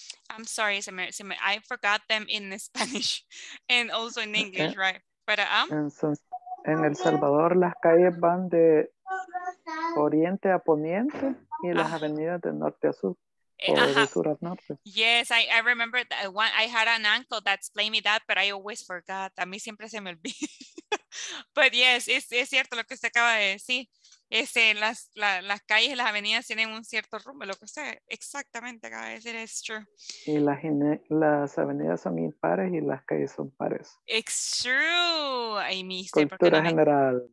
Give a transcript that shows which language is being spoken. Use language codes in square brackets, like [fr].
[en] I'm sorry, I forgot them in Spanish and also in English, okay. Right? But, [es] En El Salvador las calles van de oriente a poniente y las avenidas de norte a sur de sur a norte. [en] Yes, I remember that one. I had an uncle that explained me that, but I always forgot. [es] A mí siempre se me olvida. [en] But yes, [es] es cierto lo que usted acaba de decir. Las calles y las avenidas tienen un cierto rumbo, lo que usted exactamente acaba de decir es true. Y las avenidas son impares y las calles son pares. [en] It's true. Ay, mister, [es] cultura general.